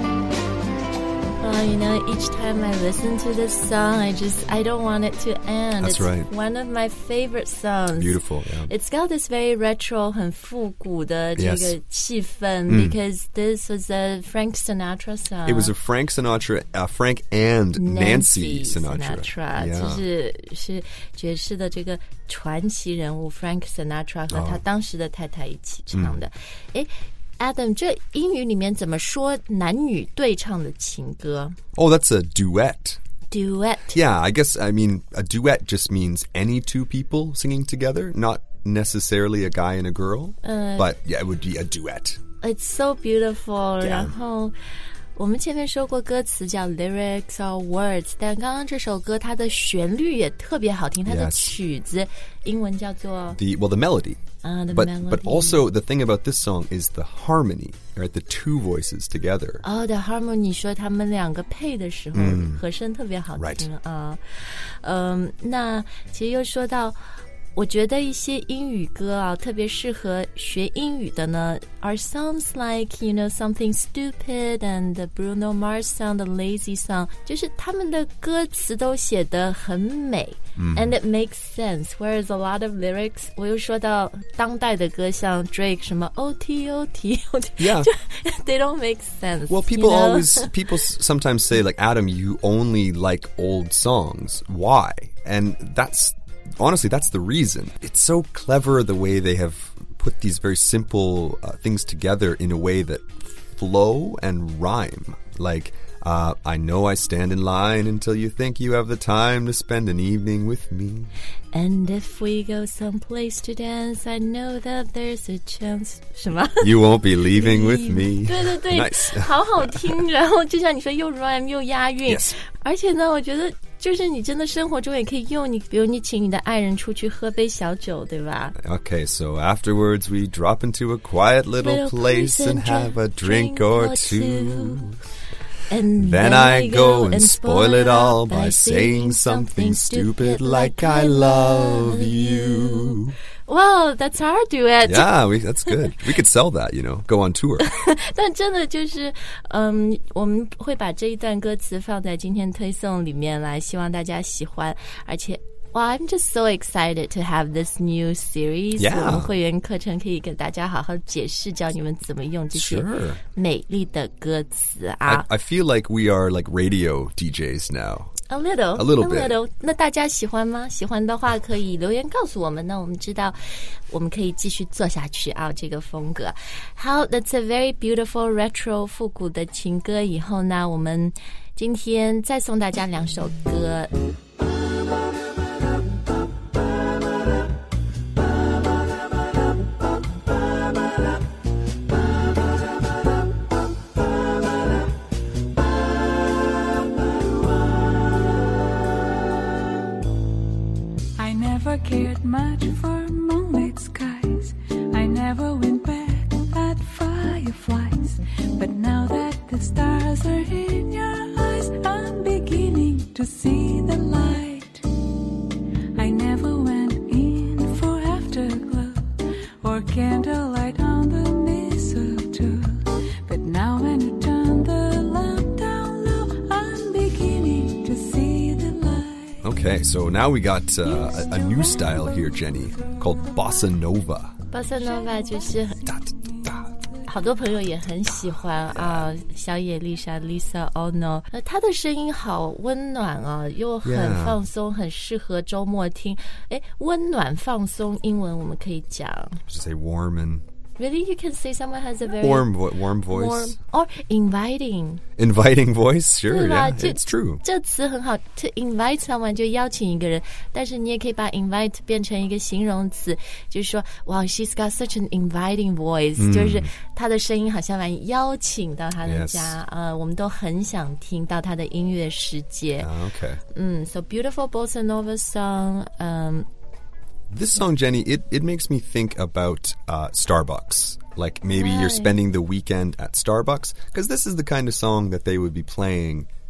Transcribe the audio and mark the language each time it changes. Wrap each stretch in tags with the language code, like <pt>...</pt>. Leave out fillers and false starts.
<en>Well, you know, each time I listen to this song, I don't want it to end. That's right. It's one of my favorite songs. Beautiful, yeah. It's got this very retro,</en> <zh>很复古的这个气氛</zh> <en>because this was a Frank Sinatra song. It was a Frank Sinatra, Frank and Nancy Sinatra. Sinatra,</en> <zh>就是爵士的这个传奇人物 Frank Sinatra 和他当时的太太一起唱的。 Adam, 这英语里面怎么说男女对唱的情歌?</zh> <en>Oh, that's a duet. Duet. Yeah, I guess, I mean, a duet just means any two people singing together, not necessarily a guy and a girl, but yeah, it would be a duet. It's so beautiful. Yeah.</en> <zh>然后我们前面说过歌词叫 lyrics or words, 但刚刚这首歌它的旋律也特别好听，它的曲子、</zh> <en>yes.</en> <zh>英文叫做</zh> <en>the melody. But also the thing about this song is the harmony, right? The two voices together.</en> <zh>Oh, the harmony, 说他们两个配的时候、和声特别好听、</zh> <en>right.</en> <zh>那其实又说到我觉得一些英语歌啊特别适合学英语的呢</zh> <en>are songs like, you know, something stupid and the Bruno Mars song, the lazy song,</en> <zh>就是他们的歌词都写得很美、</zh> <en>and it makes sense, whereas a lot of lyrics,</en> <zh>我又说到当代的歌像 Drake 什么 OTOTOT,</zh> <en>yeah, they don't make sense. Well, people sometimes say like, Adam, you only like old songs, why? And that's,Honestly, that's the reason. It's so clever the way they have put these very simple、things together in a way that flow and rhyme. Like,、I know I stand in line until you think you have the time to spend an evening with me. And if we go someplace to dance, I know that there's a chance.</en> <zh>什么</zh> <en>You won't be leaving with me.</en> <zh>对对对</zh> <en>Nice.</en> <zh>好好听然后就像你说又 rhyme 又押韵、</zh> <en>yes.</en> <zh>而且呢我觉得就是你真的生活中也可以用你比如你请你的爱人出去喝杯小酒对吧</zh> <en>Okay, so afterwards we drop into a quiet little place and have a drink or two And then I go and spoil it all by saying something stupid like I love you Well, that's our duet Yeah, that's good We could sell that, you know, go on tour</en> <zh>但真的就是我们会把这一段歌词放在今天推送里面来希望大家喜欢而且</zh> <en>Well, I'm just so excited to have this new series Yeah</en> <zh>我们会员课程可以给大家好好解释教你们怎么用这些美丽的歌词啊</zh> <en>I feel like we are like radio DJs now A little bit.</en> <zh>那大家喜欢吗？喜欢的话可以留言告诉我们，那我们知道，我们可以继续做下去啊，这个风格。</zh> <en>好 ，That's a very beautiful retro</en> <zh>复古的情歌。以后呢，我们今天再送大家两首歌。</zh> <en>Cared much for moonlit skies. I never went back at fireflies. But now that the stars are in your eyes, I'm beginning to see the light. I never went in for afterglow or candlelight on the mistletoe. But now when you turn the lamp down low, I'm beginning to see the light. Okay, so now we got a new style here, Jenny, called Bossa Nova.</en> <zh>Bossa Nova 就是好多朋友也很喜欢啊、小野丽莎 Lisa Ono 她的声音好温暖啊又很放松、</zh> <en>yeah.</en> <zh>很适合周末听温暖放松英文我们可以讲</zh> <en>Just say warm and Really, you can say someone has a very warm voice. Warm, or inviting. Inviting voice, sure, yeah, it's true.</en> <zh>这词很好 to invite someone 就邀请一个人但是你也可以把 invite 变成一个形容词就是说</zh> <en>wow, she's got such an inviting voice,、</en> <zh>就是她的声音好像蛮邀请到她的家、</zh> <en>yes.</en> <zh>我们都很想听到她的音乐世界。</zh> <en>Okay. So beautiful Bossa Nova song, This song, Jenny, it makes me think about Starbucks. Like, maybe、right. you're spending the weekend at Starbucks, because this is the kind of song that they would be playing.</en>